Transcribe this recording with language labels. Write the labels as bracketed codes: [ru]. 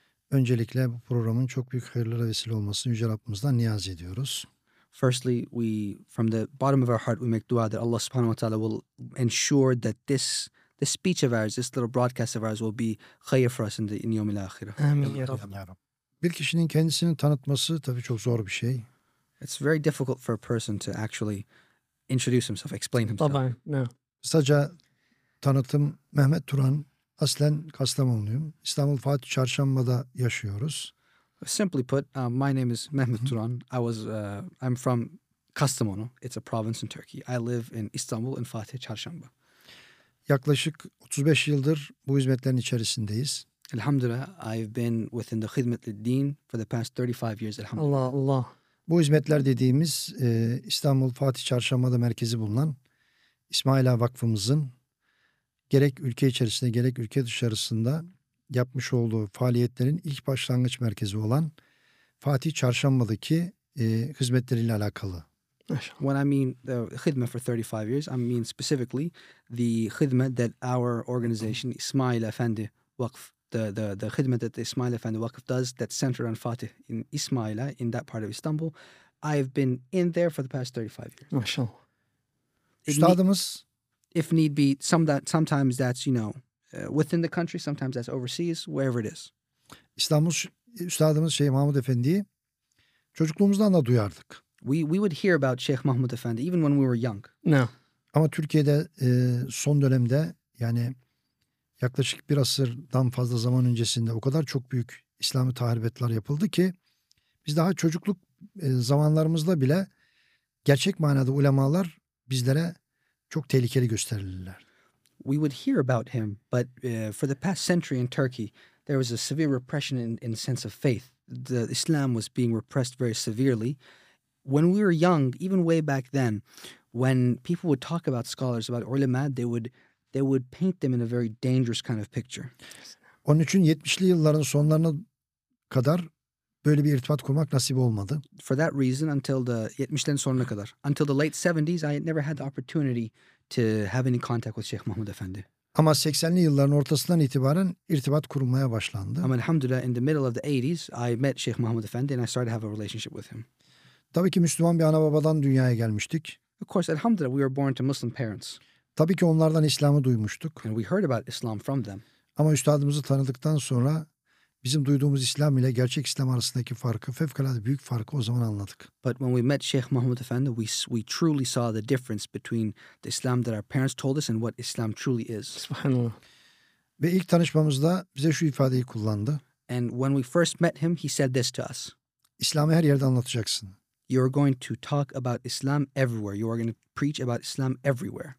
[tr] Öncelikle bu programın çok büyük hayırlara vesile olmasını yüce Rabbimizden niyaz ediyoruz. [en] Firstly, we from the bottom of our heart we make dua that Allah Subhanahu wa Taala will ensure that this speech of ours, this little broadcast of ours will be hayır for us in the yawmil akhirah. Amin ya Rabb. [tr] Bir kişinin kendisini tanıtması tabii çok zor bir şey. [en] It's very difficult for a person to actually introduce himself, explain himself. [tr] Tabii, no. Kısaca tanıtım, Mehmet Turan, aslen Kastamonluyum. İstanbul Fatih Çarşamba'da yaşıyoruz. [en] Simply put, my name is Mehmet Turan. I'm from Kastamonu. It's a province in Turkey. I live in Istanbul in Fatih Çarşamba. [tr] Yaklaşık 35 yıldır bu hizmetlerin içerisindeyiz. [en] Elhamdülillah, I've been within the Hizmetli Din for the past 35 years. [tr] Elhamdülillah. Allah Allah. Bu hizmetler dediğimiz İstanbul Fatih Çarşamba'da merkezi bulunan İsmaila Vakfımızın gerek ülke içerisinde gerek ülke dışarısında yapmış olduğu faaliyetlerin ilk başlangıç merkezi olan Fatih Çarşamba'daki hizmetleriyle alakalı. [en] When I mean the hizmet for 35 years, I mean specifically the hizmet that our organization İsmail Efendi Vakf, the hizmet that the İsmail Efendi Vakf does that center on Fatih in İsmaila in that part of Istanbul. I've been in there for the past 35 years. [ar] MashaAllah. [tr] Üstadımız, [en] if need be, sometimes that's, you know, within the country, sometimes that's overseas, wherever it is. [tr] İstanbul üstadımız Şeyh Mahmud Efendi'yi çocukluğumuzdan da duyardık. [en] We would hear about Sheikh Mahmud Efendi even when we were young. No. [tr] Ama Türkiye'de son dönemde, yani yaklaşık bir asırdan fazla zaman öncesinde o kadar çok büyük İslami tahribatlar yapıldı ki biz daha çocukluk zamanlarımızda bile gerçek manada ulemalar bizlere çok tehlikeli gösterildiler. [en] We would hear about him, but for the past century in Turkey there was a severe repression in the sense of faith. The Islam was being repressed very severely. When we were young, even way back then, when people would talk about scholars, about ulema, they would paint them in a very dangerous kind of picture. [tr] Onun için 70'li yılların sonlarına kadar böyle bir irtibat kurmak nasip olmadı. [en] For that reason, until the [tr] 70'lerin sonuna kadar, [en] until the late 70s, I never had the opportunity to have any contact with Sheikh Mahmud Efendi. [tr] Ama 80'li yılların ortasından itibaren irtibat kurulmaya başlandı. Ama [en] elhamdülillah, in the middle of the 80s, I met Sheikh Mahmud Efendi and I started to have a relationship with him. [tr] Tabii ki Müslüman bir ana babadan dünyaya gelmiştik. [en] Of course, elhamdülillah, we were born to Muslim parents. [tr] Tabii ki onlardan İslam'ı duymuştuk. [en] And we heard about Islam from them. [tr] Ama üstadımızı tanıdıktan sonra bizim duyduğumuz İslam ile gerçek İslam arasındaki farkı, fevkalade büyük farkı o zaman anladık. [en] But when we met Sheikh Mahmud Efendi, we truly saw the difference between the Islam that our parents told us and what Islam truly is. [tr] Ve ilk tanışmamızda bize şu ifadeyi kullandı. [en] And when we first met him, he said this to us. [tr] İslam'ı her yerde anlatacaksın. [en] You are going to talk about Islam everywhere. You are going to preach about Islam everywhere.